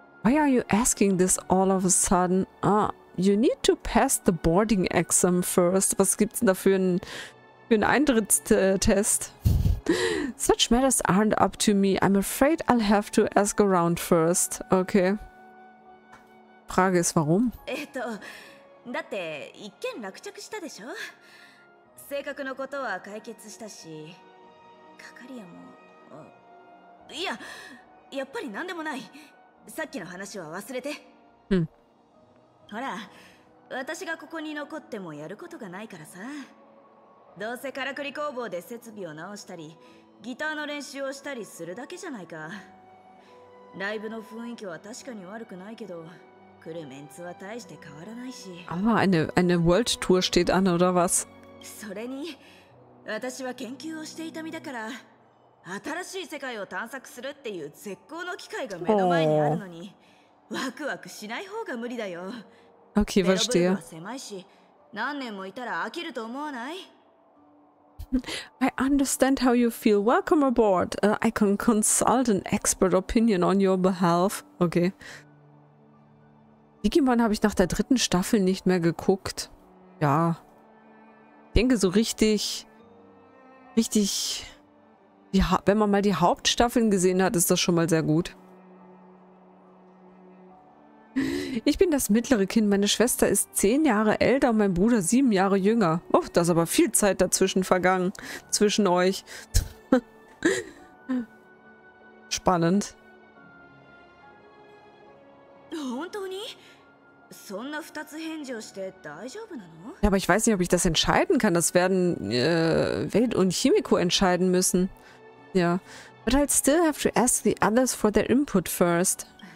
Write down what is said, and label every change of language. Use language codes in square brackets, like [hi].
[en] Why are you asking this all of a sudden? Ah, you need to pass the boarding exam first. [de] Was gibt's denn da für einen Eintrittstest? [en] Such matters aren't up to me. I'm afraid I'll have to ask around first. [de] Okay. Frage ist, warum? [ja] だって一件落着したでしょ。性格のことは解決したし、係屋も、いや、やっぱり何でもない。さっきの話は忘れて。ほら、私がここに残ってもやることがないからさ。どうせカラクリ工房で設備を直したり、ギターの練習をしたりするだけじゃないか。ライブの雰囲気は確かに悪くないけど、来るメンツは大して変わらないし。 [de] Aber eine World Tour steht an, oder was? [ja] それに、私は研究をしていた身だから、新しい世界を探索するっていう絶好の機会が目の前にあるのに、oh. ワクワクしない方が無理だよ。 [de] Okay, verstehe. [ja] ベロブルは狭いし、何年もいたら飽きると思わない？ [en] I understand how you feel. Welcome aboard. I can consult an expert opinion on your behalf. Okay. [de] Digimon habe ich nach der dritten Staffel nicht mehr geguckt. Ja. Ich denke so richtig. Ja, wenn man mal die Hauptstaffeln gesehen hat, ist das schon mal sehr gut. Ich bin das mittlere Kind. Meine Schwester ist 10 Jahre älter und mein Bruder 7 Jahre jünger. Oh, da ist aber viel Zeit dazwischen vergangen. Zwischen euch. Spannend. Ja, aber ich weiß nicht, ob ich das entscheiden kann. Das werden Welt und Chimiko entscheiden müssen. Ja. [en] But I'll still have to ask the others for their input first.